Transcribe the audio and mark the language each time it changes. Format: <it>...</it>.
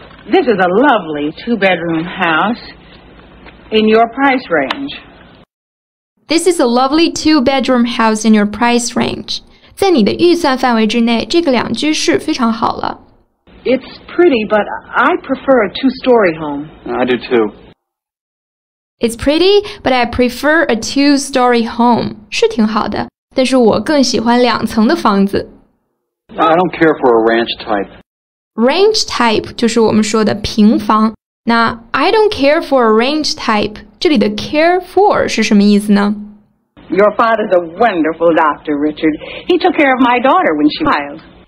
<en>This is a lovely two-bedroom house in your price range. This is a lovely two-bedroom house in your price range.</en> <zh>在你的预算范围之内，这个两居室非常好了。</zh> <en>It's pretty, but I prefer a two-story home. I do too. It's pretty, but I prefer a two-story home.</en> <zh>是挺好的，但是我更喜欢两层的房子。</zh> <en>I don't care for a ranch type.</en> <zh>Range type 就是我们说的平房。那</zh> <en>I don't care for a range type,</en> <zh>这里的 care for 是什么意思呢？</zh> <en>Your father's a wonderful doctor, Richard. He took care of my daughter when she was a child.</en>